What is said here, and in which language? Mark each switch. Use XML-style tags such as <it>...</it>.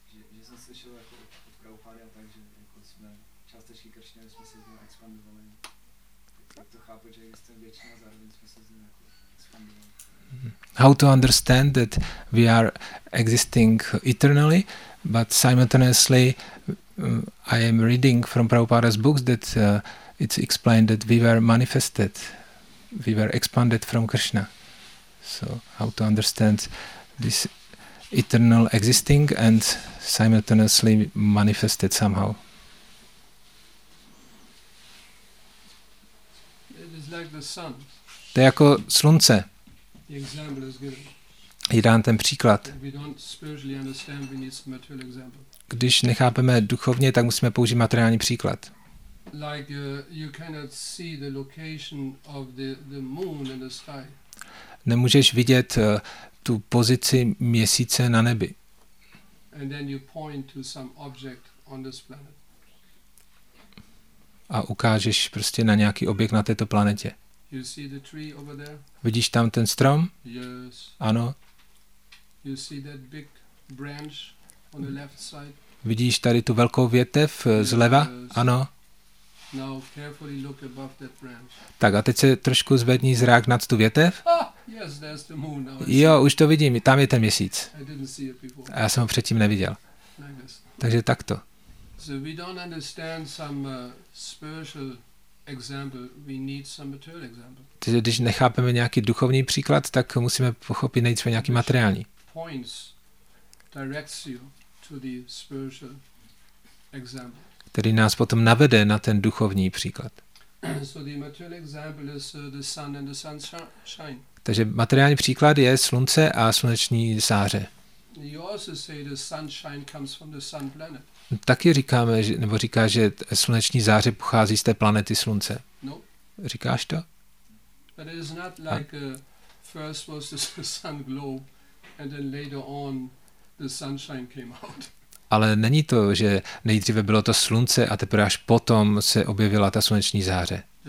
<cs>Že jsem slyšel jako od Prabhupády a tak, že jako jsme částečky Kršně, jsme se z něj expandovali. Tak to chápu, že existujeme většina, zároveň jsme se z něj jako expandovali.</cs> <en>How to understand that we are existing eternally, but simultaneously I am reading from Prabhupada's books that it's explained that we were manifested, we were expanded from Krishna. So how to understand this eternal existing and simultaneously manifested somehow? It is like the sun.</en> <cs>To je jako slunce.</cs> <en>The example is</en> <cs>good. Je dán ten příklad.</cs> <en>We don't spiritually understand, we need some material example.</en> <cs>Když nechápeme duchovně, tak musíme použít materiální příklad.</cs> <en>Like you cannot see the location of the moon in the sky.</en> <cs>Nemůžeš vidět tu pozici měsíce na nebi.</cs> <en>And then you point to some object on this planet.</en> <cs>A ukážeš prostě na nějaký objekt na této planetě.</cs> <en>You see the tree over there?</en> <cs>Vidíš tam ten strom?</cs> <en>Yes.</en> <cs>Ano.</cs> <en>You see that big branch on the left side?</en> <cs>Vidíš tady tu velkou větev zleva?</cs> <en>Yes.</en> <cs>Ano.</cs> <en>Now carefully look above that branch.</en> <cs>Tak a teď se trošku zvedni zrak nad tu větev.</cs> <en>Ah, yes, there's the moon now.</en> <cs>Jo, už to vidím, tam je ten měsíc.</cs> <en>I didn't see it before.</en> <cs>A já jsem ho předtím neviděl.</cs> <en>Like this.</en> <cs>Takže takto.</cs> <en>So we don't understand some spiritual example, we need some material example.</en> <cs>Takže když nechápeme nějaký duchovní příklad, tak musíme pochopit nejdříve nějaký materiální.</cs> <en>Points directs you to the spiritual example.</en> <cs>Který nás potom navede na ten duchovní příklad.</cs> <en>So the material example is the sun and the sunshine.</en> <cs>Takže materiální příklad je slunce a sluneční záře.</cs> <en>You also say the sunshine comes from the sun planet.</en> <cs>Taky říkáme, nebo říká, že sluneční záře pochází z té planety Slunce.</cs> <en>No.</en> <cs>Říkáš to?</cs> <en>But it is not like first was the sun globe and then later on the sunshine came out.</en> <cs>Ale není to, že nejdříve bylo to slunce a teprve až potom se objevila ta sluneční záře.</cs>